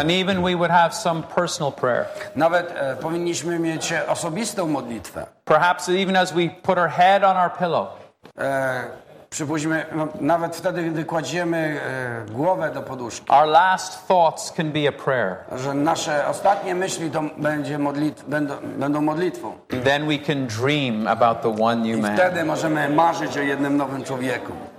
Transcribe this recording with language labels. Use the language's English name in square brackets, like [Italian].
[English] And even we would have some personal prayer. [Polish] Nawet powinniśmy mieć osobistą modlitwę. [English] Perhaps even as we put our head on our pillow. [Polish] Przypuśćmy, nawet wtedy, gdy kładziemy głowę do poduszki. [English] Our last thoughts can be a prayer. [Polish] Że nasze ostatnie myśli to będzie będą modlitwą. [English] Then we can dream about the one new man. [Polish] I wtedy możemy marzyć o jednym nowym człowieku.